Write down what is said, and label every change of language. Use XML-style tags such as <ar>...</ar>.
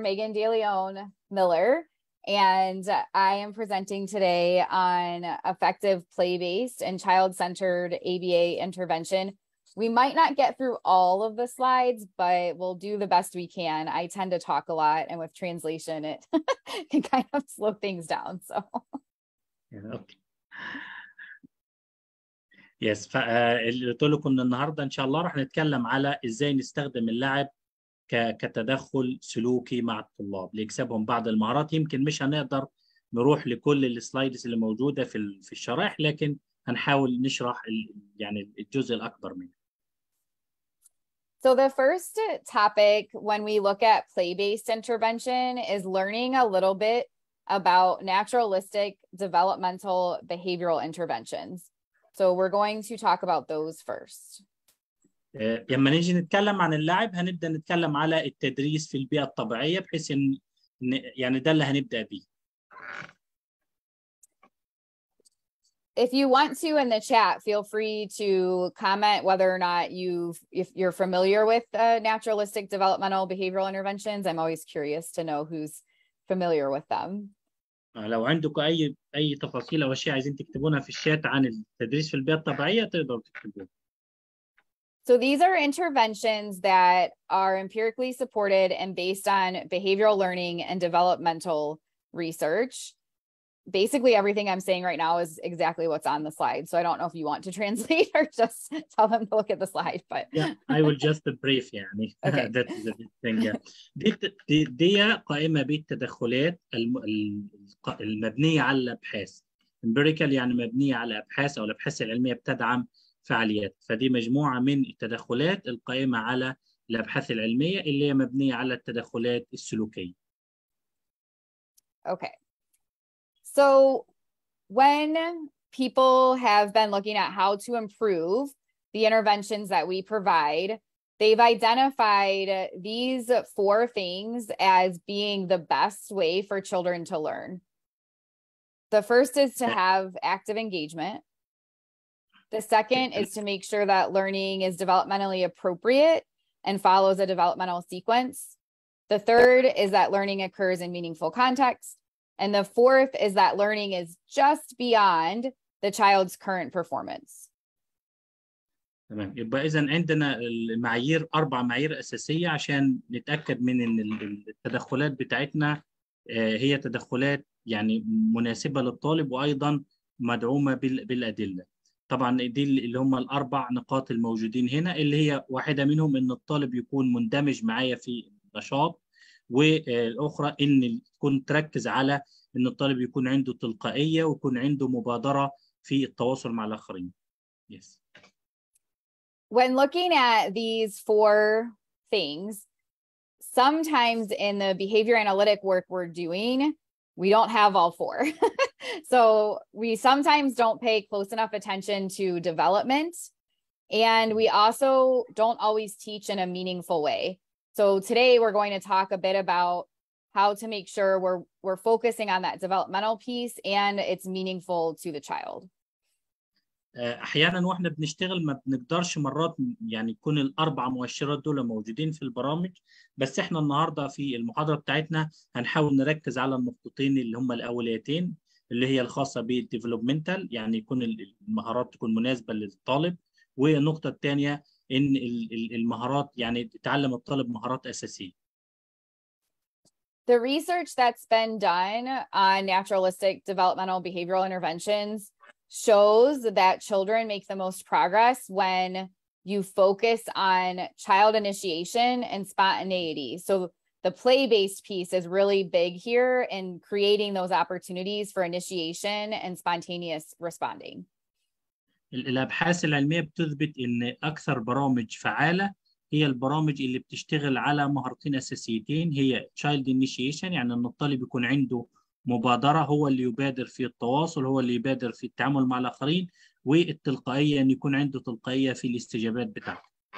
<en>Megan DeLeon Miller, and I am presenting today on effective play-based and child-centered ABA intervention. We might not get through all of the slides, but we'll do the best we can. I tend to talk a lot, and with translation, it can kind of slow things down. So. Yeah, okay.</en> <ar>يس قلت لكم ان النهارده ان شاء الله راح نتكلم على ازاي نستخدم اللعب كتدخل سلوكي مع الطلاب ليكسبهم بعض المهارات. يمكن مش هنقدر نروح لكل السلايدز اللي موجوده في الشرائح، لكن هنحاول نشرح يعني الجزء الاكبر منها.</ar> <en>So the first topic when we look at play-based intervention is learning a little bit about naturalistic developmental behavioral interventions. So we're going to talk about those first.</en> <ar>لما نيجي نتكلم عن اللعب هنبدا نتكلم على التدريس في البيئة الطبيعية بحيث ان يعني ده اللي هنبدا بيه.</ar> <en>if you want to in the chat, feel free to comment whether or not if you're familiar with naturalistic developmental behavioral interventions. I'm always curious to know who's familiar with them.</en> <ar>لو عندك أي تفاصيل أو شيء عايزين تكتبونها في الشات عن التدريس في البيئة الطبيعية تقدروا تكتبوها.</ar> <en>So these are interventions that are empirically supported and based on behavioral learning and developmental research. Basically, everything I'm saying right now is exactly what's on the slide. So I don't know if you want to translate or just tell them to look at the slide. But yeah, I will just brief. Yeah, okay. That is a big thing.</en> <ar>قائمة بالتدخلات المبنية على الأبحاث. Empirical يعني مبنية على أبحاث أو الأبحاث العلمية بتدعم فعاليات. فدي مجموعة من التدخلات القائمة على الأبحاث العلمية اللي هي مبنية على التدخلات السلوكية.</ar> <en>Okay. So when people have been looking at how to improve the interventions that we provide, they've identified these four things as being the best way for children to learn. The first is to have active engagement. The second is to make sure that learning is developmentally appropriate and follows a developmental sequence. The third is that learning occurs in meaningful context. And the fourth is that learning is just beyond the child's current performance.</en> <ar>تمام. يبقى إذن عندنا المعايير أربع معايير أساسية عشان نتأكد من إن التدخلات بتاعتنا هي تدخلات يعني مناسبة للطالب وأيضا مدعومة بالأدلة. طبعا دي اللي هم الأربع نقاط الموجودين هنا اللي هي واحدة منهم إن الطالب يكون مندمج معايا في النشاط. والأخرى إن تكون تركز على إن الطالب يكون عنده تلقائية ويكون عنده مبادرة في التواصل مع الآخرين.</ar> <en>Yes. When looking at these four things, sometimes in the behavior analytic work we're doing, we don't have all four. So we sometimes don't pay close enough attention to development, and we also don't always teach in a meaningful way. So today we're going to talk a bit about how to make sure we're focusing on that developmental piece and it's meaningful to the child.</en> <ar>احيانا واحنا بنشتغل ما بنقدرش مرات يعني يكون الاربع مؤشرات دول موجودين في البرامج بس احنا النهارده في المحاضره بتاعتنا هنحاول نركز على النقطتين اللي هم الاوليتين اللي هي الخاصه بالديفلوبمنتال يعني يكون المهارات تكون مناسبه للطالب والنقطه الثانيه إن المهارات يعني تعلم الطالب مهارات أساسية.</ar> <en>The research that's been done on naturalistic developmental behavioral interventions shows that children make the most progress when you focus on child initiation and spontaneity. So the play-based piece is really big here in creating those opportunities for initiation and spontaneous responding.</en> <ar>الأبحاث العلمية بتثبت إن أكثر برامج فعالة هي البرامج اللي بتشتغل على مهارتين أساسيتين هي child initiation يعني إن الطالب يكون عنده مبادرة هو اللي يبادر في التواصل هو اللي يبادر في التعامل مع الآخرين والتلقائية إن يكون عنده تلقائية في الاستجابات بتاعته.</ar>